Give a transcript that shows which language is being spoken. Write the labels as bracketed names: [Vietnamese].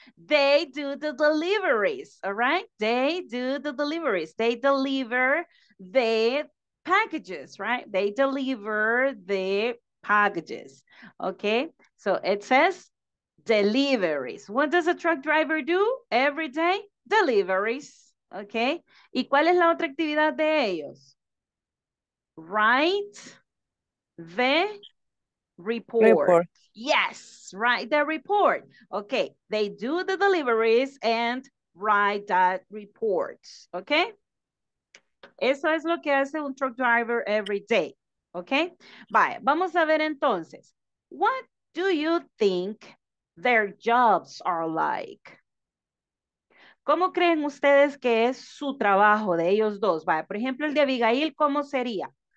[English] They do the deliveries, all right? They do the deliveries. They deliver the packages, right? They deliver the packages, okay? So it says deliveries. What does a truck driver do every day? Deliveries, okay? [Spanish] ¿Y cuál es la otra actividad de ellos? [English] Write the report. Yes, write the report. Okay, they do the deliveries and write that report. [Spanish] Okay, eso es lo que hace un truck driver [English] every day. Okay, [Spanish] vaya, vamos a ver entonces. [English] What do you think their jobs are like? [Spanish] ¿Cómo creen ustedes que es su trabajo de ellos dos? Vaya, por ejemplo, el de Abigail, ¿cómo sería?